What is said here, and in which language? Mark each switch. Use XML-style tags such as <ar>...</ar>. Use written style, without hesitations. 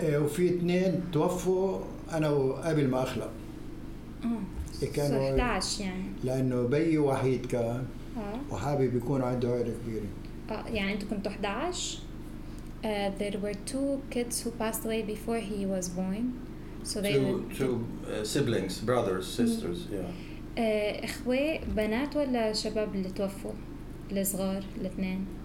<ar>إيه وفي اثنين توفوا أنا وقبل ما أخلق. كانوا 11 يعني. لأنه بي وحيد كان. وحابب يكون عنده عائلة كبيرة. يعني أنتوا كنتوا 11.</ar> <en>There were two kids who passed away before he was born. So they two siblings, brothers, sisters, yeah.</en> <ar>إخوة بنات ولا شباب اللي توفوا؟ الصغار الاثنين.</ar>